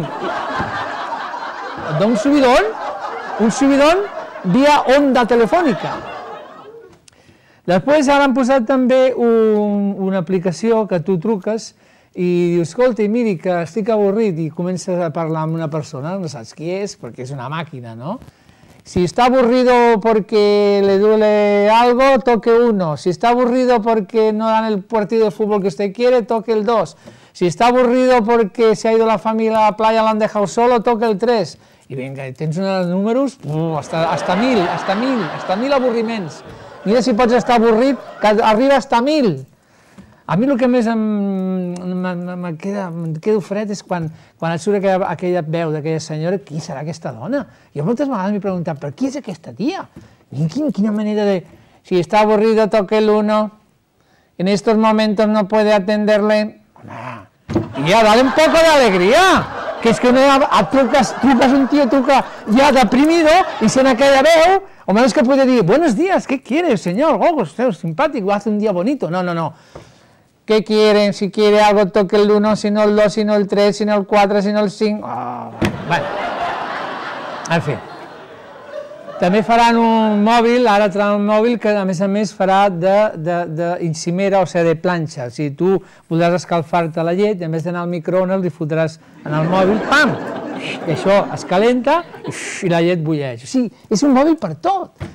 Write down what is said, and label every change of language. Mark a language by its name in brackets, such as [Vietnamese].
[Catalan] Et dona un subidón, via onda telefònica. Després ara han posat també una aplicació que tu truques i dius, escolta, miri, que estic avorrit i comences a parlar amb una persona, no saps qui és, perquè és una màquina, no? [Spanish] Si está aburrido porque le duele algo, toque uno. Si está aburrido porque no dan el partido de fútbol que usted quiere, toque el dos. Si está aburrido porque se ha ido la familia a la playa, la han dejado solo, toque el tres. [Catalan] I vinga, tens uns números, hasta mil avorriments. Mira si pots estar avorrit, que arriba hasta mil. A mi el que més em quedo fred és quan et surt aquella veu d'aquella senyora, qui serà aquesta dona? Jo moltes vegades m'he preguntat, però qui és aquesta tia? Quina manera de... Si està avorrida, toque l'uno. [Spanish] En estos momentos no puede atenderle. [Catalan] Home, tia, [Spanish] dale un poco de alegría. [Catalan] Que és que no, truques un tio, truca ja deprimido, i sent aquella veu, o menys que podria dir, [Spanish] buenos días, ¿qué quiere, señor? Oh, usted es simpático, hace un día bonito. No. ¿Qué quieren? Si quiere algo, toque el 1, si no el 2, si no el 3, si no el 4, si no el 5. [Catalan] Oh, bueno. En fi. També faran un mòbil, ara traran un mòbil que a més farà d'encimera, o sigui, de planxa. O sigui, tu podràs escalfar-te la llet i a més d'anar al microones li fotràs en el mòbil, pam! I això es calenta i la llet bulleix. O sigui, és un mòbil per tot.